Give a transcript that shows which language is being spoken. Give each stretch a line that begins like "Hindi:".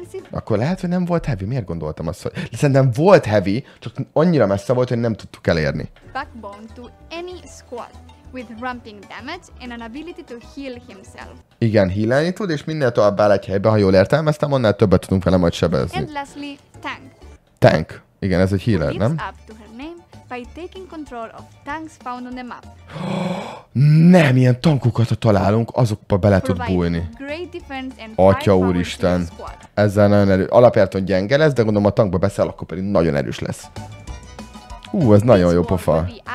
Hungarian: Akkor lehet, hogy nem volt Heavy. Miért gondoltam azt, hogy... De szerintem volt Heavy, csak annyira messze volt, hogy nem tudtuk elérni.
English: Backbone to any squad. With ramping damage and an ability to heal himself.
Hungarian: Igen, healelni tud, és minél tovább áll egy helyben, ha jól értelmeztem, annál többet tudunk vele majd sebezni.
English: And lastly, Tank. Tank.
Hungarian: Igen, ez egy healer, nem?
English: Lives up to her name by taking control of tanks found on the map.
Hungarian: Nem, ilyen tankokat, ha találunk, azokba bele tud bújni. Atya úristen. Ezzel nagyon erős. Alapjáton gyenge lesz, de gondolom a tankba beszél, akkor pedig nagyon erős lesz. Ez nagyon jó pofa.